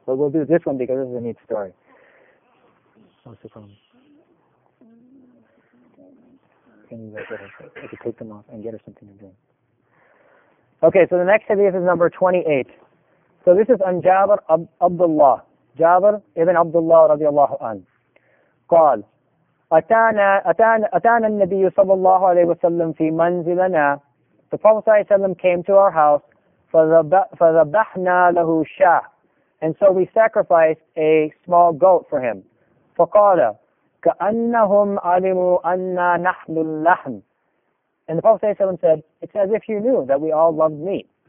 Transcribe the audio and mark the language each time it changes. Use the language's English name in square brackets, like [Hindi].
[English] But we'll do this one because this is a neat story. What's the problem? Can you get her? I could take them off and get her something to drink. Okay, so the next hadith is number 28. So this is on Jabir Abdullah. Jabir ibn Abdullah radiallahu anhu. [Arabic] قال أتانا النبي صلى الله عليه وسلم في منزلنا. [English] The Prophet ﷺ came to our house, [Arabic] فَذَبَحْنَا لَهُ شَاهْ, [English] and so we sacrificed a small goat for him. [Arabic] فَقَالَ كَأَنَّهُمْ عَلِمُوا أَنَّا نَحْنُ اللَّحْنُ, [English] and the Prophet ﷺ said, it's as if you knew that we all loved meat.